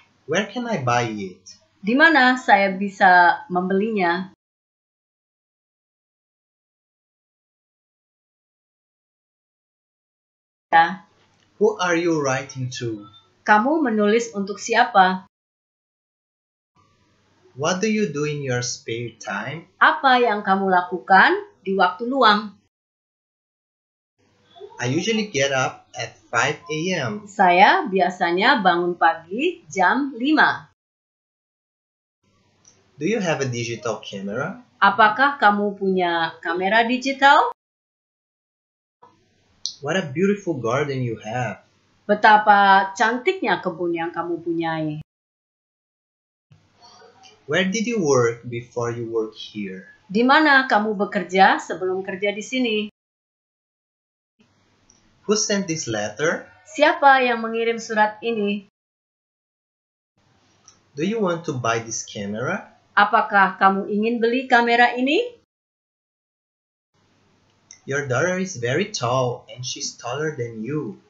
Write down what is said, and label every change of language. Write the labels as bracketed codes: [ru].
[en] Where can I buy it? [id] Di mana saya bisa membelinya? [en] Who are you writing to? [id] Kamu menulis untuk siapa? [en] What do you do in your spare time? [id] Apa yang kamu lakukan di waktu luang? [en] I usually get up at 5 a.m. [id] Saya biasanya bangun pagi jam 5. [en] Do you have a digital camera? [id] Apakah kamu punya kamera digital? [en] What a beautiful garden you have. [id] Betapa cantiknya kebun yang kamu punyai. [en] Where did you work before you work here? [id] Di mana kamu bekerja sebelum kerja di sini? [en] Who sent this letter? [id] Siapa yang mengirim surat ini? [en] Do you want to buy this camera? [id] Apakah kamu ingin beli kamera ini? [en] Your daughter is very tall and she's taller than you.